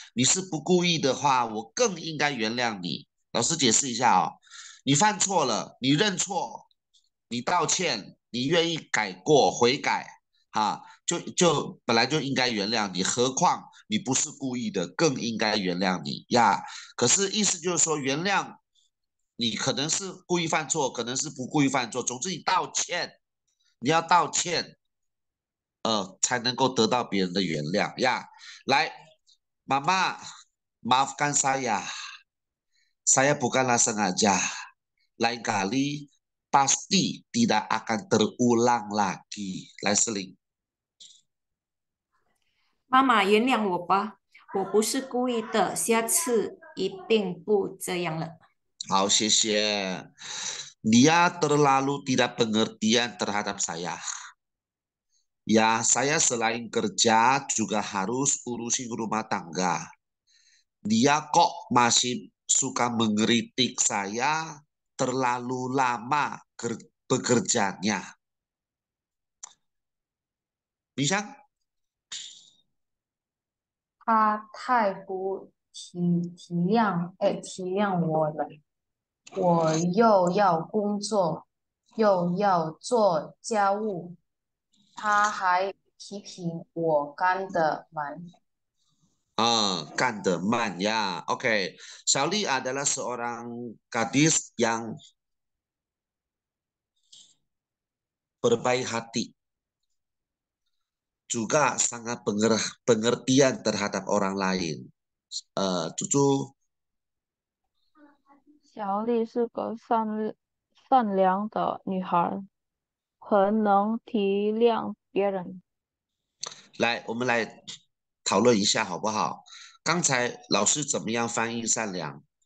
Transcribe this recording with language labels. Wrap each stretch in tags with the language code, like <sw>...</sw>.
<zh>你是不故意的话，我更应该原谅你。老师解释一下哦，你犯错了，你认错，你道歉，你愿意改过悔改，哈，就本来就应该原谅你，何况你不是故意的，更应该原谅你呀。可是意思就是说，原谅你可能是故意犯错，可能是不故意犯错，总之你道歉，你要道歉。才能够得到别人的原谅呀。来，妈妈，</zh> <id>maafkan saya bukanlah sengaja. Lain kali pasti tidak akan terulang lagi.</id> <zh>来，司令。妈妈，原谅我吧，我不是故意的，下次一定不这样了。好，谢谢。</zh> <id>Dia terlalu tidak pengertian terhadap saya. Ya, saya selain kerja juga harus urusin rumah tangga. Dia kok masih suka mengkritik saya terlalu lama bekerjanya. Bisa?</id> <zh>他太不体谅，体谅我了。我又要工作，又要做家务，他还批评我干得慢。干得慢呀。</zh> <id>OK，小丽 adalah seorang gadis yang berbaik hati, juga sangat pengertian terhadap orang lain. Cucu.</id> <zh>小丽是个善良的女孩，很能体谅别人。来，我们来。讨论一下好不好？刚才老师怎么样翻译善良？</zh>